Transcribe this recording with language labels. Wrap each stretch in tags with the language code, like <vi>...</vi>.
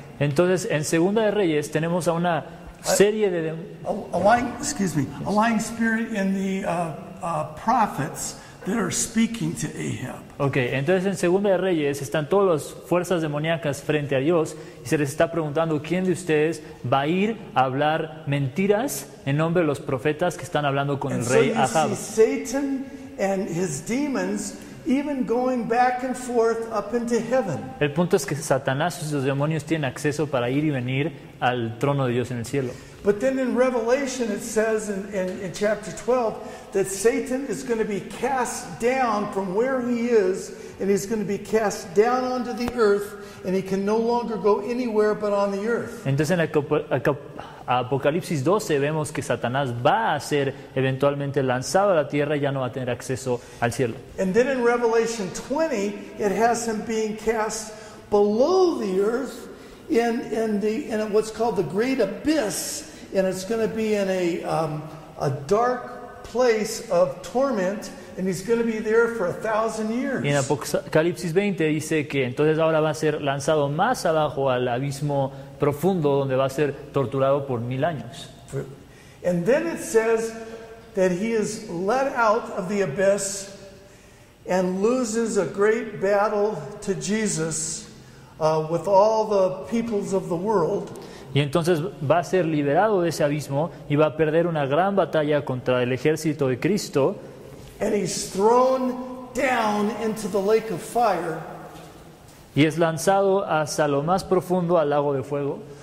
<es>Entonces, en Segunda de Reyes tenemos a una serie de</es> <en>a lying spirit in the prophets that are speaking to Ahab.</en> <es>Okay, entonces en Segunda de Reyes están todas las fuerzas demoníacas frente a Dios y se les está preguntando quién de ustedes va a ir a hablar mentiras en nombre de los profetas que están hablando con el rey Ahab.</es> <en>And so Satan and his demons even going back and forth up into heaven.</en> <es>El punto es que Satanás y sus demonios tienen acceso para ir y venir al trono de Dios en el cielo.</es> <en>But then in Revelation it says in chapter 12 that Satan is going to be cast down from where he is, and he's going to be cast down onto the earth, and he can no longer go anywhere but on the earth.</en> <es>Entonces en Apocalipsis 12 vemos que Satanás va a ser eventualmente lanzado a la tierra y ya no va a tener acceso al cielo.</es> <en>And then in Revelation 20 it has him being cast below the earth in what's called the great abyss, and it's going to be in a dark place of torment, and he's going to be there for 1,000 years.</en> <es>Y en Apocalipsis 20 dice que entonces ahora va a ser lanzado más abajo al abismo profundo donde va a ser torturado por 1,000 años.</es> <en>And then it says that he is let out of the abyss and loses a great battle to Jesus with all the peoples of the world.</en> <es>Y entonces va a ser liberado de ese abismo y va a perder una gran batalla contra el ejército de Cristo.</es> <en>And he's thrown down into the lake of fire.</en> <es>Y es lanzado hasta lo más profundo al lago de fuego.</es>